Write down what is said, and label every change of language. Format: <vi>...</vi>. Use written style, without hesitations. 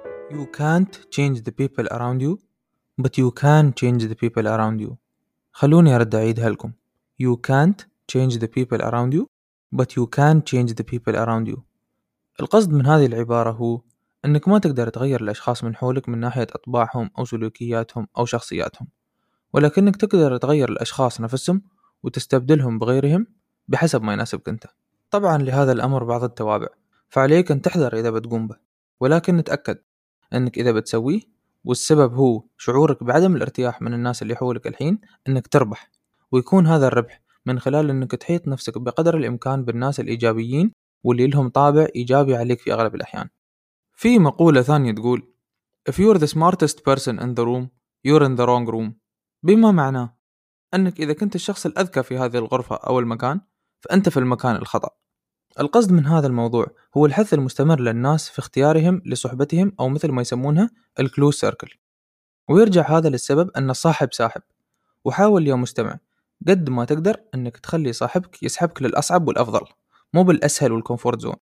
<en>You can't change the people around you, but you can change the people around you.</en> <ar>خلوني أرد أعيدها لكم.</ar> <en>You can't change the people around you, but you can change the people around you.</en> <ar>القصد من هذه العبارة هو أنك ما تقدر تغير الأشخاص من حولك من ناحية أطباعهم أو سلوكياتهم أو شخصياتهم، ولكنك تقدر تغير الأشخاص نفسهم وتستبدلهم بغيرهم بحسب ما يناسبك أنت. طبعا لهذا الأمر بعض التوابع، فعليك أن تحذر إذا بتقوم به، ولكن نتأكد أنك إذا بتسويه والسبب هو شعورك بعدم الارتياح من الناس اللي حولك الحين، أنك تربح، ويكون هذا الربح من خلال أنك تحيط نفسك بقدر الإمكان بالناس الإيجابيين واللي لهم طابع إيجابي عليك في أغلب الأحيان. في مقولة ثانية تقول</ar> <en>If you're the smartest person in the room, you're in the wrong room.</en> <ar>بما معناه أنك إذا كنت الشخص الأذكى في هذه الغرفة أو المكان فأنت في المكان الخطأ. القصد من هذا الموضوع هو الحث المستمر للناس في اختيارهم لصحبتهم أو مثل ما يسمونها الكلوز سيركل، ويرجع هذا للسبب أن الصاحب ساحب، وحاول يا مستمع قد ما تقدر أنك تخلي صاحبك يسحبك للأصعب والأفضل مو بالأسهل والكومفورت زون.</ar>